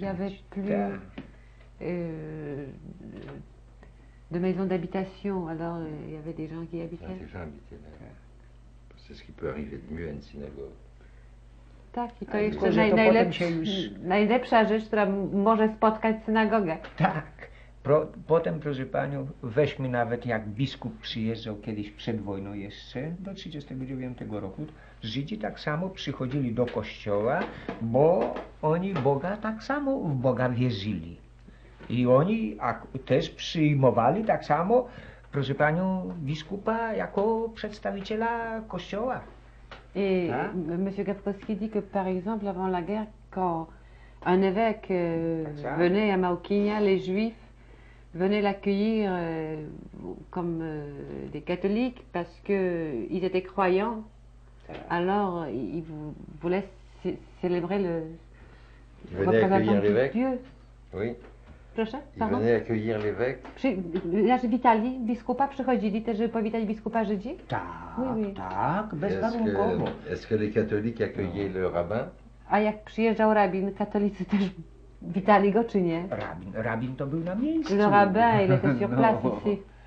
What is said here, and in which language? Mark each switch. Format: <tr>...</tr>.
<fr>Il n'y avait plus de maison d'habitation, alors il y avait des gens qui habitaient. Des gens habitaient là. C'est ce qui peut arriver de mieux à une synagogue.</fr> <pl>Tak, i to jeszcze najlepsza rzecz, która może spotkać synagogę. Tak. Potem, proszę panią, weźmy nawet jak biskup przyjeżdżał kiedyś przed wojną jeszcze, do 1939 roku, Żydzi tak samo przychodzili do kościoła, bo oni Boga tak samo w Boga wierzyli. I oni też przyjmowali tak samo, proszę panią, biskupa jako przedstawiciela kościoła.</pl> <fr>Et hein? M. Gawkowski dit que, par exemple, avant la guerre, quand un évêque venait à Mauquigne, les Juifs venaient l'accueillir comme des catholiques parce qu'ils étaient croyants. Alors, ils voulaient célébrer le représentant de Dieu. Oui.</fr> <pl>Proszę,</pl> <fr>il venait accueillir l'évêque.</fr> <pl>Nasz witali, biskupa, przychodzili też, żeby powitać biskupa Żydzi? Tak,</pl> <fr>oui, oui.</fr> <pl>Tak, bezwarunkowo.</pl> <fr>Est-ce que les catholiques accueillaient le rabbin?</fr> <pl>A jak przyjeżdżał rabin, katolicy też witali go, czy nie? Rabin to był na miejscu.</pl> <fr>Le rabbin, il était sur place ici.</fr>